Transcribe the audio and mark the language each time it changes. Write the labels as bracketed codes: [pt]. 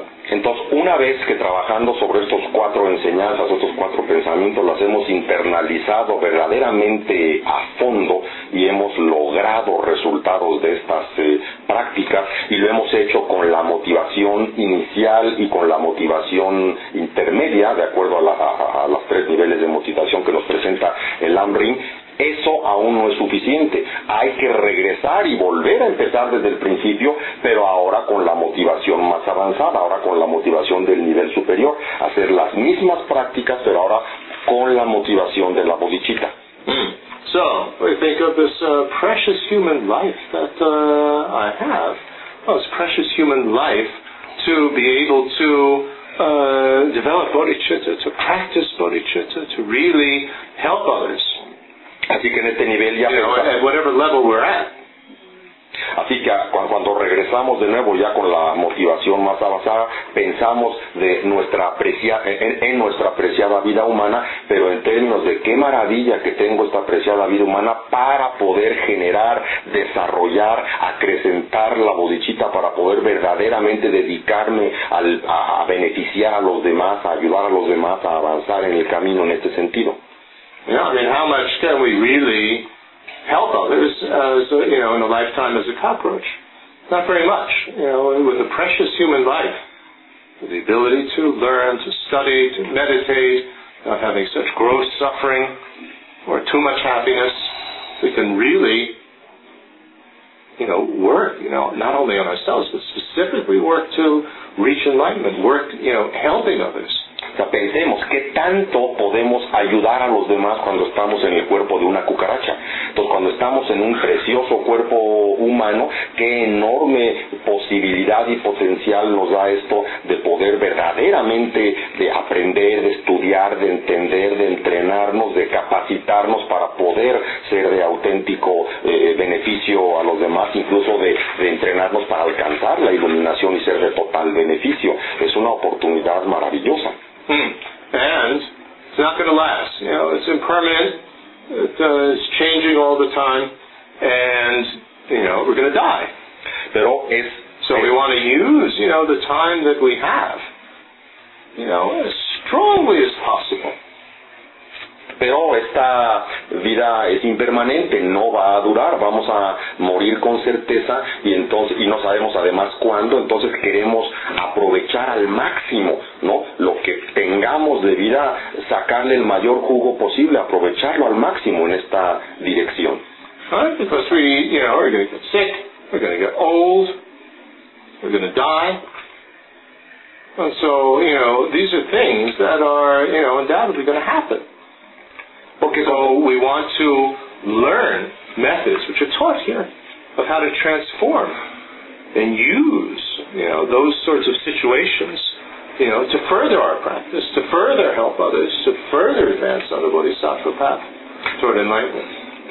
[es] Entonces, una vez que trabajando sobre estos cuatro enseñanzas, estos cuatro pensamientos, las hemos internalizado verdaderamente a fondo y hemos logrado resultados de estas prácticas, y lo hemos hecho con la motivación inicial y con la motivación intermedia, de acuerdo a los tres niveles de motivación que nos presenta el Amrim, eso aún no es suficiente. Hay que regresar y volver a empezar desde el principio, pero ahora con la motivación más avanzada, ahora con la motivación del nivel superior. Hacer las mismas prácticas, pero ahora con la motivación de la bodichita. [en] So, we think of this precious human life that I have. Well, it's precious human life to be able to develop bodichita, to practice bodichita, to really help others. [es] Así que en este nivel ya, [en] you know, at whatever level we're at. [es] Así que cuando regresamos de nuevo ya con la motivación más avanzada, pensamos de en nuestra apreciada vida humana, pero en términos de qué maravilla que tengo esta apreciada vida humana para poder generar, desarrollar, acrecentar la bodichita, para poder verdaderamente dedicarme a beneficiar a los demás, a ayudar a los demás a avanzar en el camino en este sentido. [en] Yeah, I mean, how much can we really help others, as a, you know, in a lifetime as a cockroach? Not very much. You know, with a precious human life, with the ability to learn, to study, to meditate, not having such gross suffering or too much happiness, we can really, you know, work, you know, not only on ourselves, but specifically work to reach enlightenment, work, you know, helping others. [es] O sea, pensemos qué tanto podemos ayudar a los demás cuando estamos en el cuerpo de una cucaracha. Entonces, cuando estamos en un precioso cuerpo humano, qué enorme posibilidad y potencial nos da esto de poder verdaderamente de aprender, de estudiar, de entender, de entrenarnos, de capacitarnos para poder ser de auténtico beneficio a los demás, incluso de entrenarnos para alcanzar la iluminación y ser de total beneficio. Es una oportunidad maravillosa. [en] And it's not going to last. You know, it's impermanent. It's changing all the time. And, you know, we're going to die. [es] Pero es, [en] so we want to use, you know, the time that we have, you know, as strongly as possible. [es] Pero esta vida es impermanente, no va a durar, vamos a morir con certeza, y entonces, y no sabemos además cuándo, entonces queremos aprovechar al máximo, ¿no? Lo que tengamos de vida, sacarle el mayor jugo posible, aprovecharlo al máximo en esta dirección. [en] Right, because we, you know, we're going to get sick, we're going to get old, we're going to die, And so, you know, these are things that are, you know, undoubtedly going to happen. Okay, so we want to learn methods, which are taught here, of how to transform and use, you know, those sorts of situations, you know, to further our practice, to further help others, to further advance on the bodhisattva path toward enlightenment.